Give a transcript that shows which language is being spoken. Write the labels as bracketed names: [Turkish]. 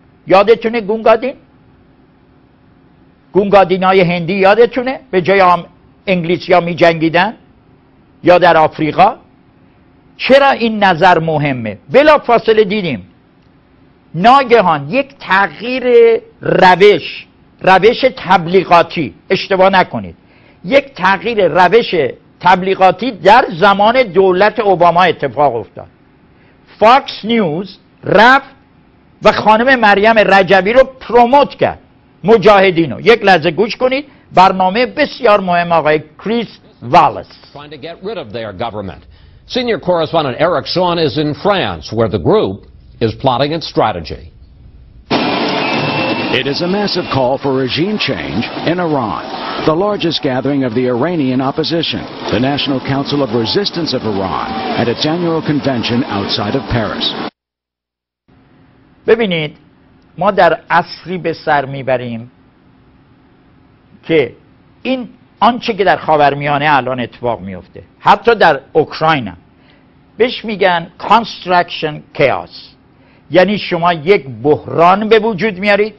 [Persian] یادتونه گونگادین؟ گونگادین‌های هندی یادتونه؟ به جای انگلیسی‌ها می‌جنگیدن یا در آفریقا؟ چرا این نظر مهمه؟ بلافاصله دیدیم ناگهان یک تغییر روش، روش تبلیغاتی، اشتباه نکنید، یک تغییر روش تبلیغاتی در زمان دولت اوباما اتفاق افتاد. فاکس نیوز رفت و خانم مریم رجوی رو پروموت کرد، مجاهدینو. یک لحظه گوش کنید، برنامه بسیار مهم آقای کریس والاس. [English] Trying to get rid of their government. Senior correspondent Eric Sean is in France where the group is plotting its strategy. It is a massive call for regime change in Iran. The largest gathering of the Iranian opposition, the National Council of Resistance of Iran, at its annual convention outside of Paris. [Persian] ببینید ما در عصری به سر میبریم که این آنچه که در خاورمیانه الان اتفاق میفته، حتی در اوکراین هم بهش میگن construction chaos، یعنی شما یک بحران به وجود میارید.